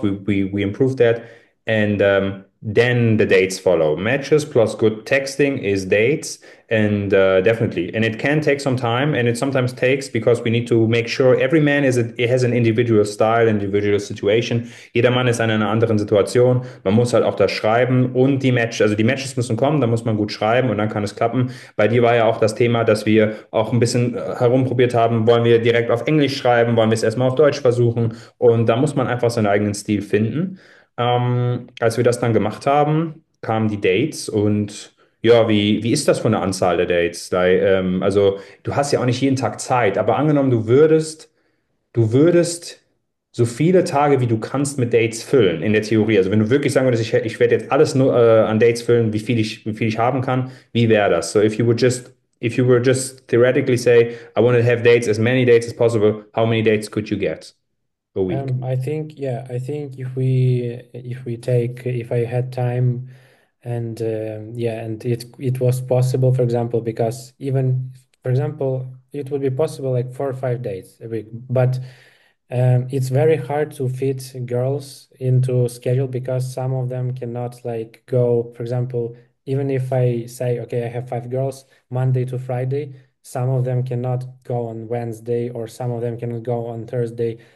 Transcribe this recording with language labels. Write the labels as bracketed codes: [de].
[en] We improved that, and then the dates follow. Matches plus good texting is dates, and definitely. And it can take some time, and it sometimes takes because we need to make sure every man is it has an individual style, individual situation. [de] Jeder Mann ist in einer anderen Situation. Man muss halt auch das schreiben und die Match, also die Matches müssen kommen. Da muss man gut schreiben und dann kann es klappen. Bei dir war ja auch das Thema, dass wir auch ein bisschen herumprobiert haben. Wollen wir direkt auf Englisch schreiben? Wollen wir es erstmal auf Deutsch versuchen? Und da muss man einfach seinen eigenen Stil finden. Als wir das dann gemacht haben, kamen die Dates und ja, wie ist das von der Anzahl der Dates? Da, also du hast ja auch nicht jeden Tag Zeit, aber angenommen, du würdest so viele Tage, wie du kannst, mit Dates füllen in der Theorie. Also wenn du wirklich sagen würdest, ich werde jetzt alles nur an Dates füllen, wie viel ich haben kann, wie wäre das? [en] So if you were just theoretically say, I want to have dates, as many dates as possible, how many dates could you get a week? I think yeah, I think if I had time and yeah, and it was possible, for example, because even for example it would be possible like 4 or 5 days a week, but it's very hard to fit girls into schedule because some of them cannot like go, for example, even if I say okay, I have 5 girls Monday to Friday, some of them cannot go on Wednesday or some of them cannot go on Thursday.